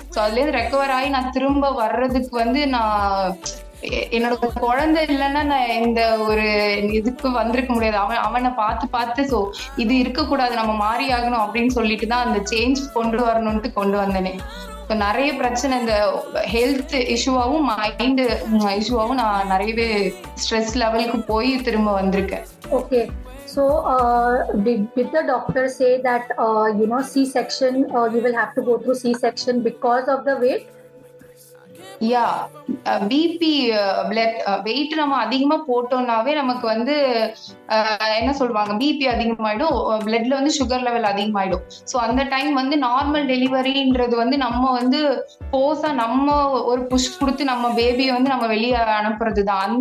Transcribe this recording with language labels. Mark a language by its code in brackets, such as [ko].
[ta] So அதுலேருந்து recover ஆகி நான் திரும்ப வர்றதுக்கு வந்து நான் என்னோட குழந்தை இல்லைன்னா நான் இந்த ஒரு இதுக்கு வந்திருக்க முடியாது. அவனை பார்த்து பார்த்து ஸோ இது இருக்கக்கூடாது நம்ம மாறி ஆகணும் அப்படின்னு சொல்லிட்டு தான் அந்த சேஞ்ச் கொண்டு வரணும்ட்டு கொண்டு வந்தனே. இப்போ நிறைய பிரச்சனை இந்த ஹெல்த் இஷ்யூவாகவும் மைண்டு இஷ்யூவாகவும் நான் நிறையவே ஸ்ட்ரெஸ் லெவலுக்கு போய் திரும்ப வந்திருக்கேன். [en] Okay, so did the doctor say that you know C-section you will have to go through C-section because of the weight? [ta] Yeah, BP blood wait நம்ம அதிகமாக போட்டோம்னாவே நமக்கு வந்து என்ன சொல்லுவாங்க பிபி அதிகமாயிடும், பிளட்ல வந்து சுகர் லெவல் அதிகமாயிடும். ஸோ அந்த டைம் வந்து நார்மல் டெலிவரின்றது வந்து நம்ம வந்து போஸா நம்ம ஒரு புஷ் கொடுத்து நம்ம பேபியை வந்து நம்ம வெளியே அனுப்புறது தான்.